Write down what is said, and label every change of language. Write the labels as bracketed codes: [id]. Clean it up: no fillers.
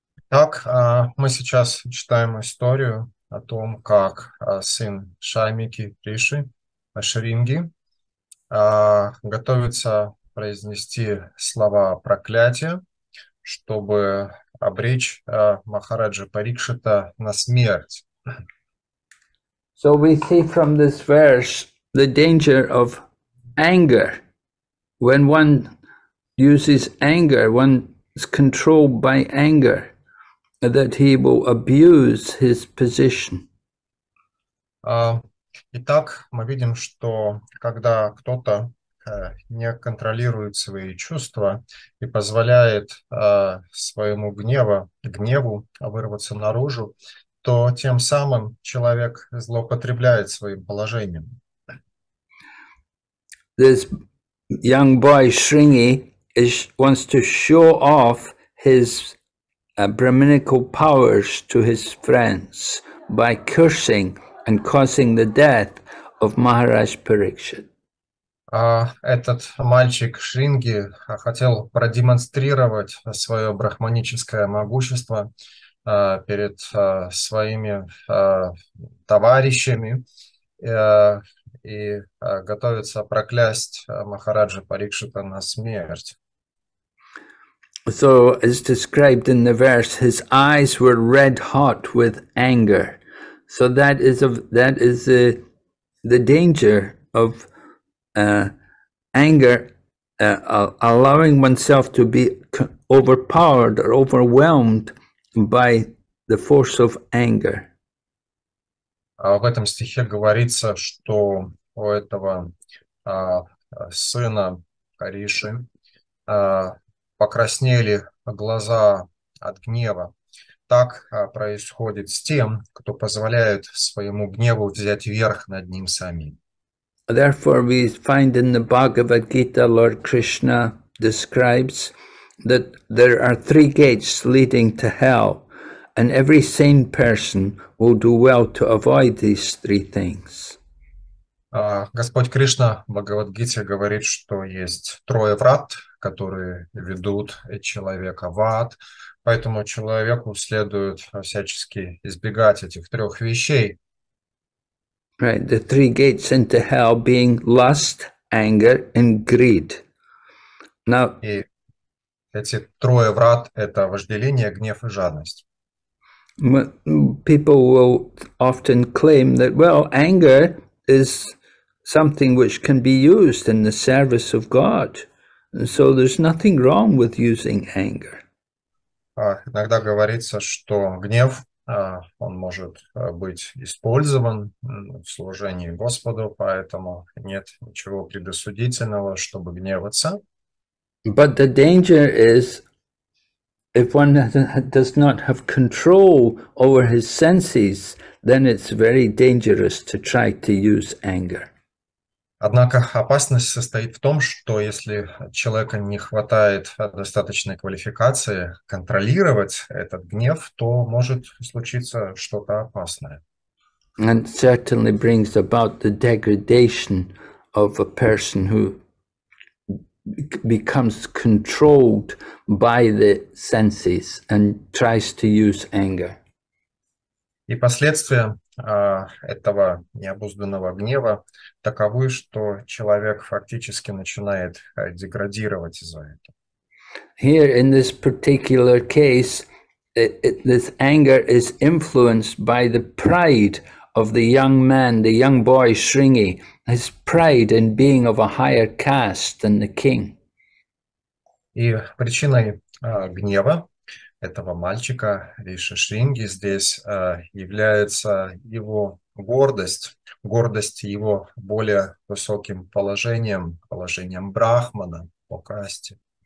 [ru] Так, мы сейчас читаем историю о том, как сын Шаймики Риши, Шринги, готовится произнести слова проклятия, чтобы обречь Махараджа Парикшита на смерть. [en] So we see from this verse the danger of anger. When one uses anger, one is controlled by anger, that he will abuse his position. [ru] Итак, мы видим, что когда кто-то не контролирует свои чувства и позволяет своему гневу вырваться наружу, то тем самым человек злоупотребляет своим положением. [en] This young boy Sringi wants to show off his brahminical powers to his friends by cursing and causing the death of Maharaj Parikshit. [ru] Этот мальчик Шринги хотел продемонстрировать свое брахманическое могущество перед своими товарищами и готовится проклясть Махараджа Парикшита на смерть. [en] So, as described in the verse, his eyes were red hot with anger. So that is the danger of anger, allowing oneself to be overpowered or overwhelmed by the force of anger. [ru] В этом стихе говорится, что у этого сына Риши покраснели глаза от гнева. Так происходит с тем, кто позволяет своему гневу взять верх над ним самим. [en] Therefore, we find in the Bhagavad Gita, Lord Krishna describes that there are three gates leading to hell, and every sane person will do well to avoid these three things. [ru] Господь Кришна в Бхагавад-гите говорит, что есть трое врат, которые ведут человека в ад, поэтому человеку следует всячески избегать этих трех вещей. [en] Right, the three gates into hell being lust, anger, and greed. Now, [ru] и эти трое врат – это вожделение, гнев и жадность. [en] People will often claim that, well, anger is something which can be used in the service of God. And so there's nothing wrong with using anger. [ru] Иногда говорится, что гнев, он может быть использован в служении Господу, поэтому нет ничего предосудительного, чтобы гневаться. [en] But the danger is, if one does not have control over his senses, then it's very dangerous to try to use anger. [ru] Однако опасность состоит в том, что если человека не хватает достаточной квалификации контролировать этот гнев, то может случиться что-то опасное. [en] And certainly brings about the degradation of a person who becomes controlled by the senses and tries to use anger. [ru] И последствия этого необузданного гнева таковы, что человек фактически начинает деградировать из-за этого. [en] Here in this particular case, this anger is influenced by the pride of the young man, the young boy Sringi, his pride in being of a higher caste than the king. [ru] И причиной гнева этого мальчика Риши Шринги здесь является его гордость его более высоким положением, уважением Брахмана, о касте.